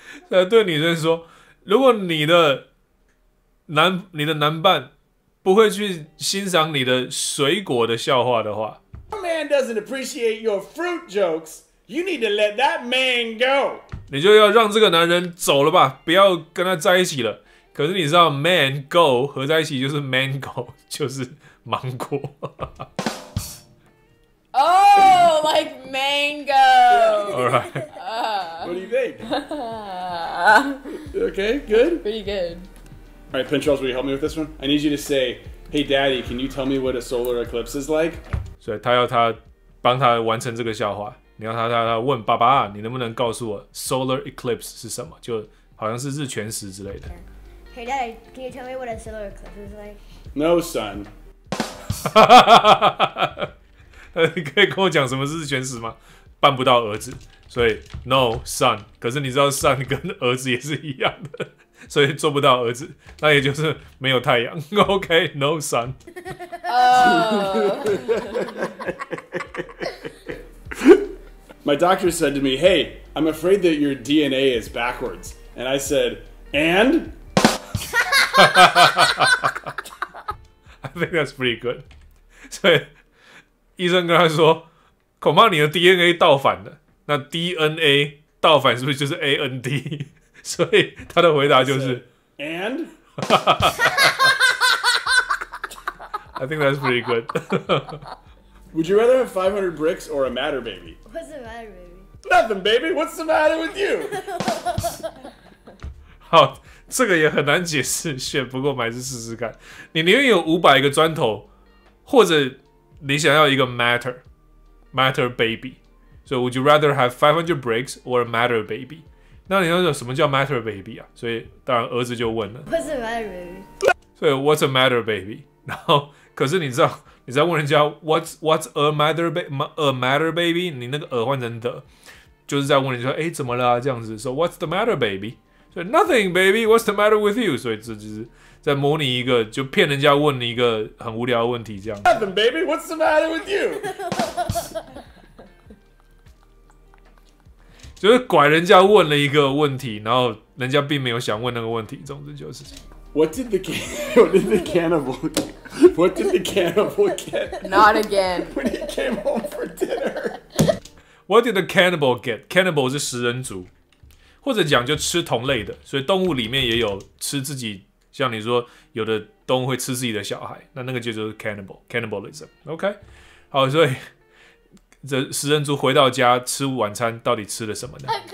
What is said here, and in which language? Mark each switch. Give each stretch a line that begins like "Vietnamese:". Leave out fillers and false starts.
Chinese: 那对女生说，如果你的男伴不会去欣赏你的水果的笑话的话
English: ，Your man doesn't appreciate your fruit jokes. You need to let that man go.
Chinese: 你就要让这个男人走了吧，不要跟他在一起了。可是你知道 ，man go 合在一起就是 mango， 就是芒果。
English: Oh, like mango. All right. What do you think? Okay, good. Pretty good. All right, Pinchels, will you help me with this one? I need you to say, "Hey, Daddy, can you tell me what a solar eclipse is like?"
Chinese: 所以他要他帮他完成这个笑话。你要他问爸爸，你能不能告诉我 solar eclipse 是什么？就好像是日全食之类的。
English: Hey, Daddy, can you tell me what a solar eclipse is like? No, son.
Chinese: 可以跟我讲什么是日全食吗？办不到儿子，所以
English: no, son.
Chinese: 可是你知道 son 跟儿子也是一样的。所以做不到儿子，那也就是没有太阳。
English: OK, no sun. My doctor said to me, "Hey, I'm afraid that your DNA is backwards." And I said, "And?" I think that's pretty good.
Chinese: 所以医生跟他说，恐怕你的 DNA 倒反了。那 DNA 倒反是不是就是 AND？所以他的回答就是
English: And。 I think that's pretty good. Would you rather have 500 bricks or a matter baby? What's a matter baby? Nothing, baby. What's the matter with you?
Chinese: 好，这个也很难解释，选不过还是试试看。你宁愿有500个砖头，或者你想要一个 matter baby?
English: So would you rather have 500 bricks or a matter baby?
Chinese: 那你要说什么叫 matter baby 啊？所以当然儿子就问了
English: ，What's a matter baby? 所以 What's a matter baby?
Chinese: 然后。可是你知道你在问人家 What's a matter baby， 你那个耳换成的就是在问人家，欸，怎么了，啊，这样子，
English: so what's the matter baby， so nothing baby what's the matter with you，
Chinese: 所以这就是在模拟一个，就骗人家问你一个很无聊的问题，这样
English: nothing baby what's the matter with you，
Chinese: 就是拐人家问了一个问题，然后人家并没有想问那个问题，总之就是
English: What did the cannibal get? Not again. When he came home for dinner. What did the cannibal get?
Chinese: Cannibal 是食人族，或者讲就吃同类的，所以动物里面也有吃自己，像你说有的动物会吃自己的小孩，那那个就是 cannibalism. OK， 好，所以这食人族回到家吃晚餐，到底吃了什么呢